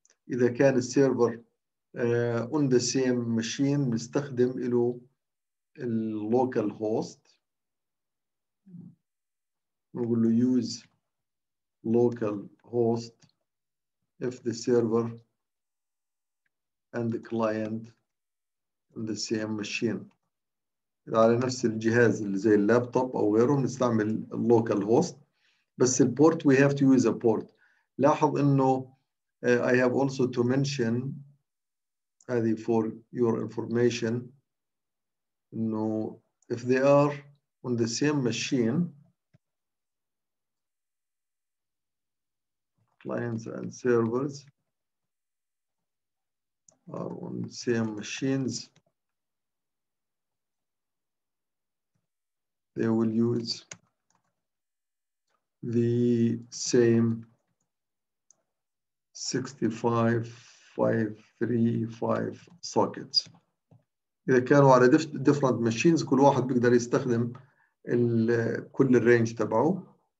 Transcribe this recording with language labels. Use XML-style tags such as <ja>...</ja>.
<ar>اذا كان السيرفر</ar> <en>on the same machine</en> <ar>بنستخدم له اللوكال هوست، بنقول له</ar> <en>Use local host of the server and the client on the same machine.</en> <ar>اذا على نفس الجهاز اللي زي اللابتوب او غيره بنستعمل اللوكال هوست. بس البورت</ar> <en>we have to use a port.</en> <ar>لاحظ انه</ar> <en>I have also to mention</en> <ar>هذه</ar> <en>for your information</en> <ar>انه</ar> <en>if they are on the same machine clients and servers are on the same machines they will use the same 65535 sockets.</en> <ar>إذا كانوا على</ar> <en>different machines</en> <ar>كل واحد بيقدر يستخدم كل الرينج تبعه.</ar>